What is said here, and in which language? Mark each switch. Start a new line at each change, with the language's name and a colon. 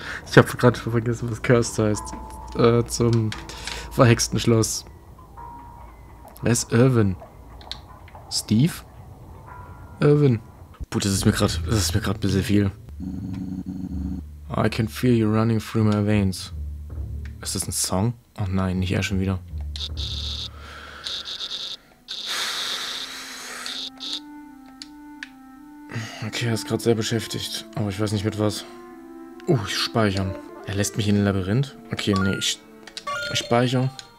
German: Ich habe gerade schon vergessen, was Cursed heißt. Zum verhexten Schloss. Wes Irwin. Steve? Irwin. Gut, das ist mir gerade ein bisschen viel.
English: I can feel you running through my veins.
German: Ist das ein Song? Oh nein, nicht er schon wieder. Okay, er ist gerade sehr beschäftigt. Aber ich weiß nicht mit was. Ich speichern. Er lässt mich in den Labyrinth? Okay, nee, ich speichere.